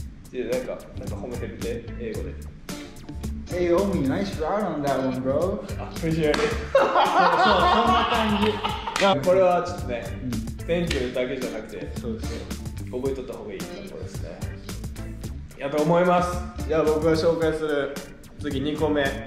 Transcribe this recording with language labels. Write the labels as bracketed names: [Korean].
[Japanese] じゃあなんか褒めてみて、英語で。 [English] Hey, Omi, nice shot on that one, bro. Appreciate [Japanese] it. そう、そんな感じ。これはちょっとね、 [English] Thank you [Japanese] だけじゃなくて、そうそう、覚えとった方がいいってことですね。やと思います。じゃあ僕が紹介する、次2個目。